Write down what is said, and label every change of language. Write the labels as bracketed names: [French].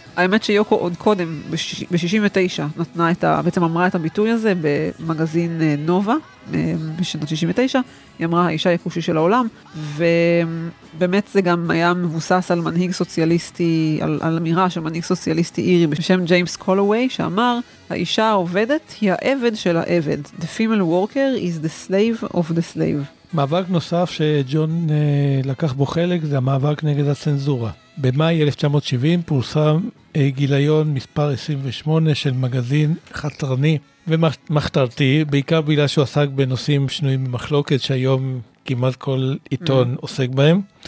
[Hebrew] האמת שיוקו עוד קודם, ב-69, נתנה את בעצם אמרה את הביטוי הזה במגזין נובה, בשנת 69, היא אמרה, האישה היקושי של העולם, ובאמת זה גם היה מבוסס על מנהיג סוציאליסטי, על אמירה של מנהיג סוציאליסטי אירי, בשם ג'יימס קולווי, שאמר, האישה העובדת היא העבד של העבד. [English] The female worker is the slave of the slave. [Hebrew] מאבק נוסף שג'ון לקח בו חלק, זה המאבק נגד הצנזורה. במאי 1970 פורסם גיליון מספר 28 של מגזין חתרני ומחתרתי, בעיקר בגלל שהוא עסק בנושאים שנויים במחלוקת שהיום כמעט כל עיתון עוסק בהם.